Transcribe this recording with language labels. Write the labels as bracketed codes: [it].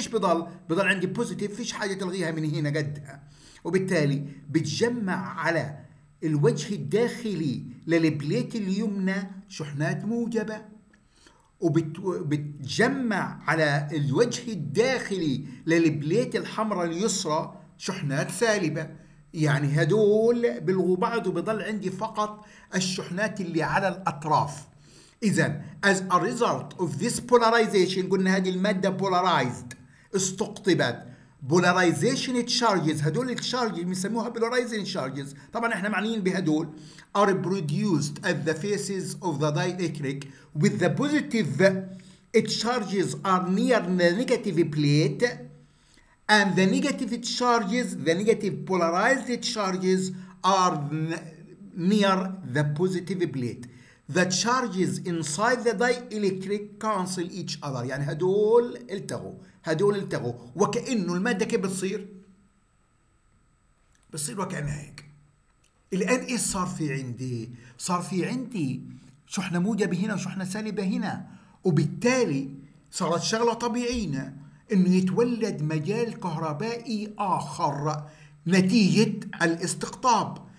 [ar] ايش بضل؟ بضل عندي بوزيتيف، فيش حاجة تلغيها من هنا قدها، وبالتالي بتجمع على الوجه الداخلي للبليت اليمنى شحنات موجبة، وبتجمع على الوجه الداخلي للبليت الحمراء اليسرى شحنات سالبة. يعني هدول بلغوا بعض وبيضل عندي فقط الشحنات اللي على الأطراف. إذا [en] as a result of this polarization، [ar] قلنا هذه المادة polarized استقطبت. [en] polarization charges، [ar] هدول الشارجز بنسموها [en] polarization charges، [ar] طبعا احنا معنيين بهدول، [en] are produced at the faces of the dielectric with the positive charges are near the negative plate and the negative charges, the negative polarized charges are near the positive plate. The charges inside the dielectric cancel each other. [ar] يعني هدول التغوا، هدول التغوا، وكأنه المادة كيف بتصير؟ بتصير وكأنها هيك. الآن إيش صار في عندي؟ صار في عندي شحنة موجبة هنا وشحنة سالبة هنا، وبالتالي صارت شغلة طبيعية انه يتولد مجال كهربائي اخر نتيجة الاستقطاب.